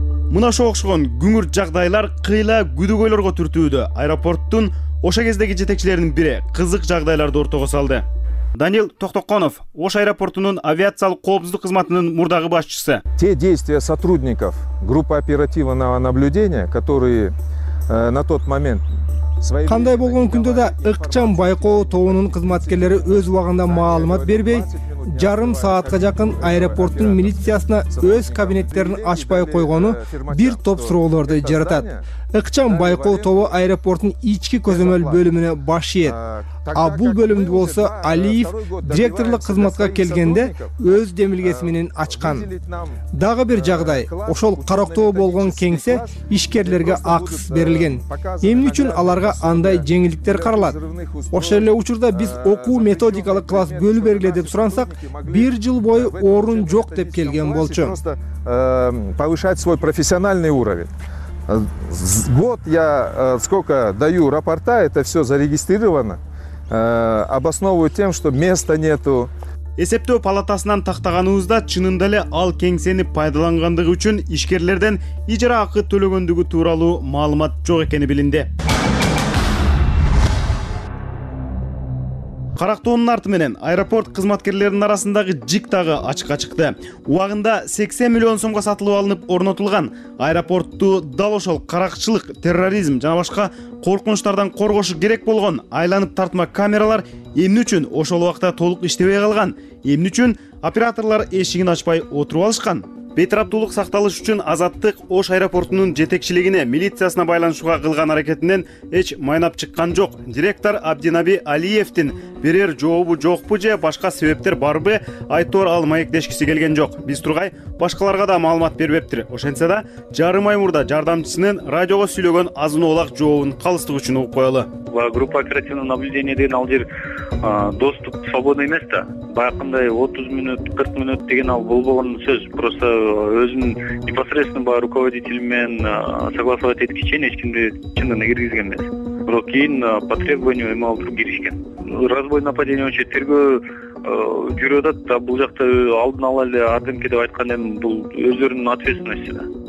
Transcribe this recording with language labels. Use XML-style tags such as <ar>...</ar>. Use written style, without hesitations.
<ky>Мына ошо окшогон күңүрт жагдайлар кыйла күдүгөйлөргө түртүүдө. Аэропорттун ошо кездеги жетекчилеринин бири кызык жагдайларды ортого салды. Данил Токтоконов, Ош аэропортунун авиациялык коопсуздук кызматынын мурдагы башчысы.</ky> <ru>Те действия сотрудников группы оперативного наблюдения, которые на тот момент</ru> <ky>Кандай болгон күндө да ыкчам байкоо тобунун кызматкерлери өз убагында маалымат бербей, жарым саатка жакын аэропорттун милициясына өз кабинеттерин ачпай койгону бир топ суроолорду жаратат. Ыкчам байкоо тобу аэропорттун ички көзөмөл бөлүмүнө баш ийет. А бул бөлүмдү болсо Алиев директорлук кызматка келгенде өз демилгеси менен ачкан. Дагы бир жагдай, ошол кароктоо болгон кеңсе ишкерлерге акысыз берилген. Эмне үчүн аларга андай жеңилдиктер каралат? Ошол эле учурда биз окуу методикалык класс бөлү бергиле деп сурансак, бир жыл бою орун жок деп келген болчу.</ky> <ru>Повышать свой профессиональный уровень. Год я сколько даю рапорта, это все зарегистрировано. Обосновывают тем, что места нету.</ru> <ky>Эсептөө палатасынан тактаганыбызда чынында эле ал кеңсени пайдалангандыгы үчүн ишкерлерден ижара акы төлөгөндүгү тууралуу маалымат жок экени билинди. Карактоонун арты менен аэропорт кызматкерлеринин арасындагы жик дагы ачыкка чыкты. Убагында 80 миллион сомго сатылып алынып орнотулган аэропортту дал ошол каракчылык, терроризм жана башка коркунучтардан коргошу керек болгон айланып тартма камералар эмне үчүн ошол убакта толук иштебей калган? Эмне үчүн операторлор эшигин ачпай отуруп алышкан? Бейтараптуулук сакталыш үчүн Азаттык Ош аэропортунун жетекчилигине, милициясына байланышууга кылган аракетинен эч майнап чыккан жок. Директор Абдинаби Алиевтин берер жообу жокпу же башка себептер барбы айтор ал маектешкиси келген жок. Биз тургай башкаларга да маалымат бербептир. Ошентсе да жарым ай мурда жардамчысынын радиого сүйлөгөн азын оолак жообун калыстык үчүн угуп коелу. Группа оперативного наблюдения деген ал жер доступ свободный эмес да. Баякындай 30 минут, 40 минут деген ал болбогон сөз. Просто өзүнүн непосредственно баягы руководитель менен согласовать этки чейин эч кимди чындыгына киргизген эмес. Бирок кийин по требованию эме алтуруп киришкен. Разбой нападения боюнча тергөө жүрүп атат да бул жакта алдын ала эле АДМК деп айткан эми бул өздөрүнүн ответственностью да.</ky>